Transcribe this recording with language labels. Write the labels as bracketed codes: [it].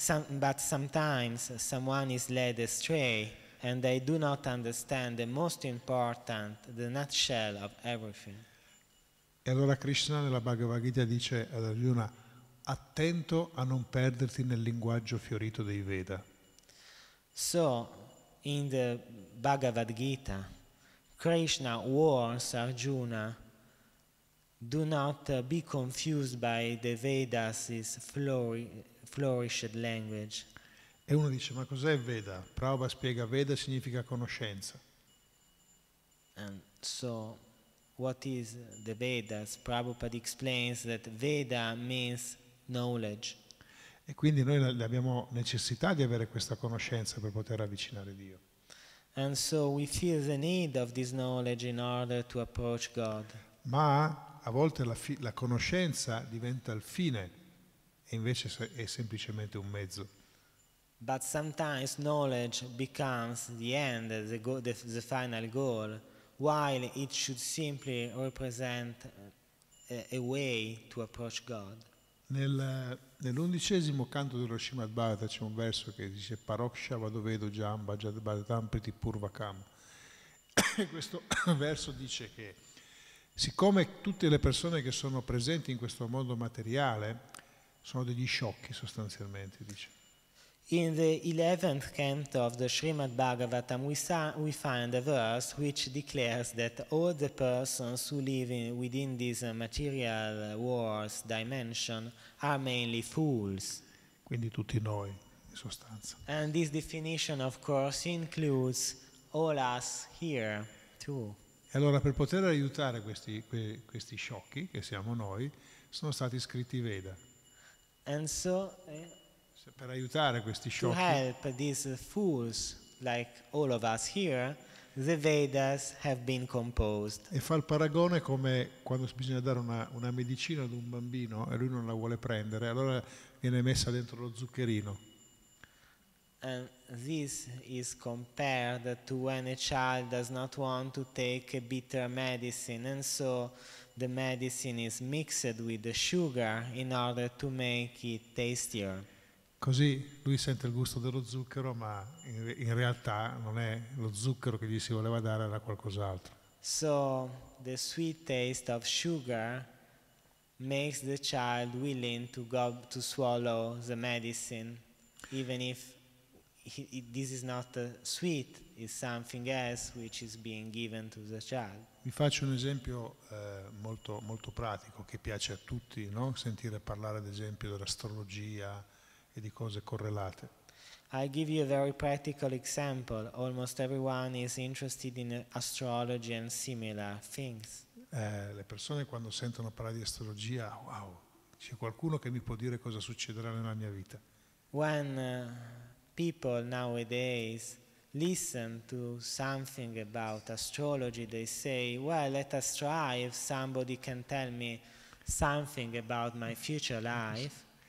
[en] But sometimes someone is led astray and they do not understand the most important, the nutshell of everything. [it] E allora Krishna nella Bhagavad Gita dice ad Arjuna: attento a non perderti nel linguaggio fiorito dei Veda. [en] So in the Bhagavad Gita Krishna warns Arjuna: do not be confused by the Vedas' flourished language. [it] E uno dice: ma cos'è Veda? Prabhupada spiega: Veda significa conoscenza. [en] And so what is the Vedas? Prabhupada explains that Veda means knowledge. [it] E quindi noi abbiamo necessità di avere questa conoscenza per poter avvicinare Dio. [en] And so we feel the need of this knowledge in order to approach God. [it] Ma a volte la conoscenza diventa il fine. E invece è semplicemente un mezzo. [en] But sometimes knowledge becomes the end, the final goal, while it should simply represent a way to approach God. [it] Nell'undicesimo canto dello Srimad Bhagavatam c'è un verso che dice: [sa] Paroksha Vadovedo Jamba Jad Bhagavatam Priti Purvakam. [it] Questo verso dice che, siccome tutte le persone che sono presenti in questo mondo materiale sono degli sciocchi, sostanzialmente, dice. [en] In the 11th canto of the Srimad Bhagavatam we find a verse which declares that all the persons who live within this material world dimension are mainly fools. [it] Quindi tutti noi, in sostanza. [en] And this definition of course includes all us here too. [it] E allora, per poter aiutare questi sciocchi che siamo noi, sono stati scritti i Veda. [en] And so, [it] per aiutare questi sciocchi, [en] to help these fools like all of us here, the Vedas have been composed. [it] E fa il paragone come quando bisogna dare una medicina ad un bambino e lui non la vuole prendere, allora viene messa dentro lo zuccherino. [en] And this is compared to when a child does not want to take a bitter medicine, and so the medicine is mixed with the sugar in order to make it tastier. [it] Così lui sente il gusto dello zucchero, ma in realtà non è lo zucchero che gli si voleva dare, era qualcos'altro. [en] So the sweet taste of sugar makes the child willing to go to swallow the medicine, even if this is not sweet, it's something else which is being given to the child. [it] Vi faccio un esempio molto, molto pratico che piace a tutti, no? Sentire parlare ad esempio dell'astrologia e di cose correlate. [en] I give you a very practical example. Almost everyone is interested in astrology and similar things. [it] Le persone quando sentono parlare di astrologia, wow, c'è qualcuno che mi può dire cosa succederà nella mia vita. [en] When people nowadays listen to something about astrology, they say, well, let us try if somebody can tell me something about my future life.